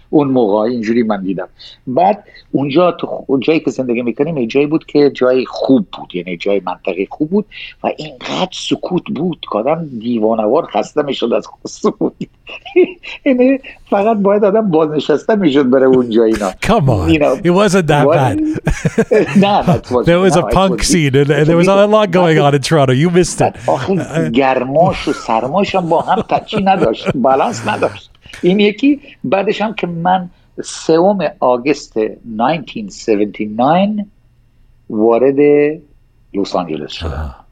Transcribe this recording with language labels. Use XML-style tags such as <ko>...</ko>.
<fa>اون موقع اینجوری من دیدم. بعد اونجا تو جایی که زندگی میکنیم جایی بود که جای خوب بود، یعنی جای منطقه خوب بود و اینقدر سکوت بود که آدم دیوانوار خسته میشد از سکوت. یعنی فقط باید آدم بازنشسته میشد بره اونجا اینا.</fa> <en>Come on, it wasn't that bad.</en> <fa>نه</fa> <en>there was a punk scene and there was a lot going on in Toronto. You missed it.</en> <fa>آخه گرماش و سرماش هم با هم تچی نداشت، بالانس نداشت. این یکی. بعدش هم که من 3 آگست 1979 وارد لس آنجلس شدم.</fa>